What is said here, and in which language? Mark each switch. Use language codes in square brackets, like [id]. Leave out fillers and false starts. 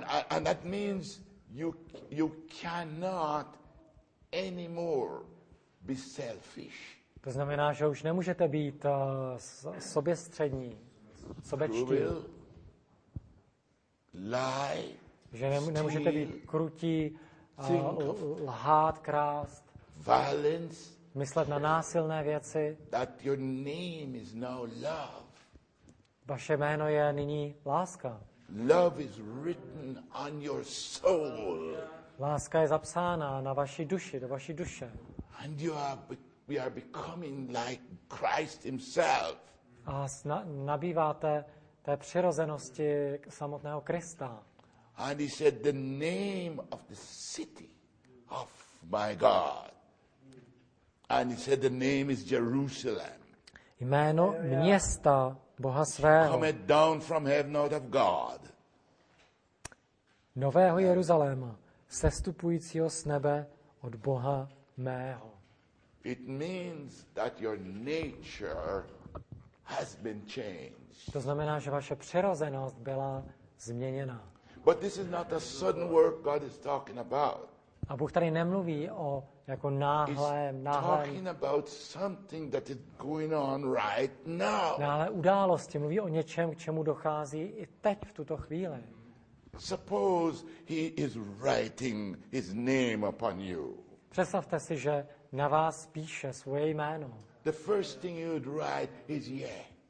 [en] And that means you cannot anymore be selfish. [cs] To znamená, že už nemůžete být soběstřední, sobečtí. [en] Lie. [cs] Že nemůžete být krutí, lhát, krást, [en] violence, [cs] myslet na násilné věci. [en] That your name is now love. [cs] Vaše jméno je nyní láska. [en] Love is written on your soul. [cs] Láska je zapsána na vaši duši, do vaší duše. [en] And you are becoming like Christ himself. [cs] A nabýváte té přirozenosti samotného Krista. [en] And he said the name of the city of my God. And he said the name is Jerusalem. [cs] Jméno města Boha svého. [en] Come down from heaven out of God. [cs] Nového Jeruzaléma. Sestupujícího z nebe od Boha mého. [en] It means that your nature has been changed. [cs] To znamená, že vaše přirozenost byla změněna. [en] But this is not a sudden work God is talking about. [cs] A Bůh tady nemluví o jako náhle. [en] He's talking about something that is going on right now. [cs] Náhle události, mluví o něčem, k čemu dochází i teď v tuto chvíli. [en] Suppose he is writing his name upon you. [cs] Představte si, že na vás píše svoje jméno. [en] The first thing you would write is yeah.